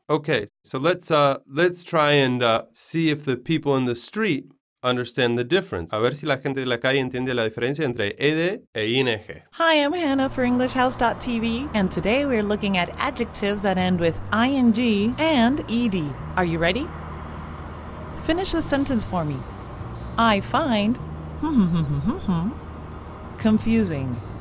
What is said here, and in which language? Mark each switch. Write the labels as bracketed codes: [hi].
[en] Okay, so let's try and see if the people in the street understand the difference. [es] A ver si la gente de la calle entiende la diferencia entre ed e ing. [en] Hi, I'm Hannah for EnglishHouse.tv, and today we're looking at adjectives that end with ing and ed. Are you ready? Finish the sentence for me. I find confusing.